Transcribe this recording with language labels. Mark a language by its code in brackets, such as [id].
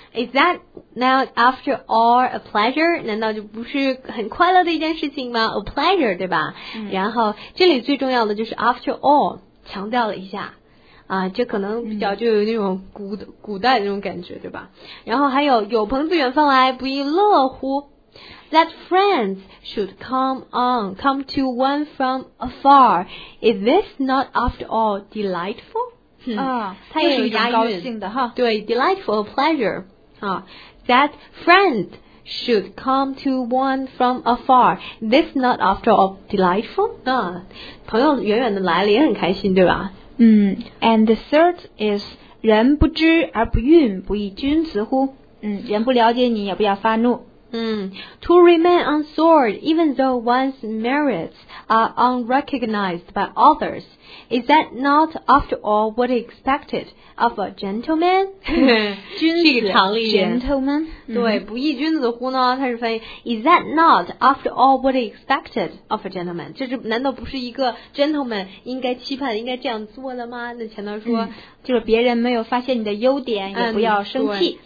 [en] Is that now after all a pleasure? [zh] 难道就不是很快乐的一件事情吗 [en] ？A pleasure, 对吧？ [zh] 然后这里最重要的就是 after all, 强调了一下。啊，这可能比较就有那种古代的那种感觉，对吧？然后还有朋自远方来，不亦乐乎。 [en] That friends should come to one from afar. Is this not after all delightful? [zh] 它也是一种高兴的哈。 [en] 对 ，delightful pleasure. 啊 ，that friends should come to one from afar. This not after all delightful. [zh] 啊，朋友远远的来了也很开心，对吧？ [en] And the third is [zh] 人不知而不愠，不亦君子乎？人不了解你，也不要发怒。 [en] To remain unsought, even though one's merits are unrecognized by others, is that not, after all, what expected of a gentleman? [zh] 君子，gentleman. 对，不亦君子乎呢？它是翻译 [en] Is that not, after all, what expected of a gentleman? [zh] 这是难道不是一个 gentleman 应该期盼、应该这样做的吗？那前头说，就是别人没有发现你的优点，也不要生气。